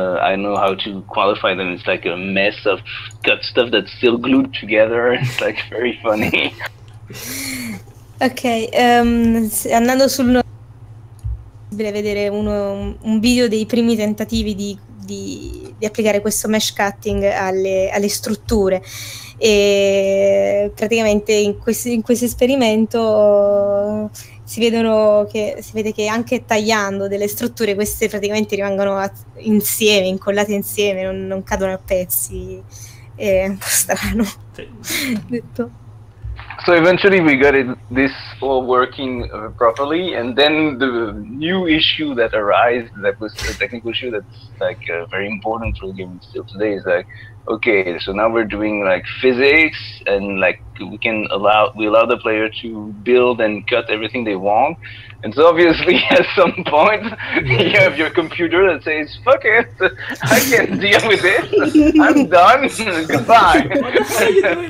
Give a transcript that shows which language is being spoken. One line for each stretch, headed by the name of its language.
English: I know how to qualify them. It's like a mess of cut stuff that's still glued together. It's like very funny.
Italian: Ok, andando sul vedere un video dei primi tentativi di applicare questo mesh cutting alle strutture. E praticamente in questo esperimento si vede che anche tagliando delle strutture queste praticamente rimangono insieme, incollate insieme, non cadono a pezzi. È un po' strano. Detto.
English: So eventually we got this all working properly, and then the new issue that arose, that was a technical issue that's like very important for the game still today, is like, okay, so now we're doing like physics, and like we allow the player to build and cut everything they want, and so obviously at some point you have your computer that says, fuck it, I can't deal with this, I'm done, goodbye.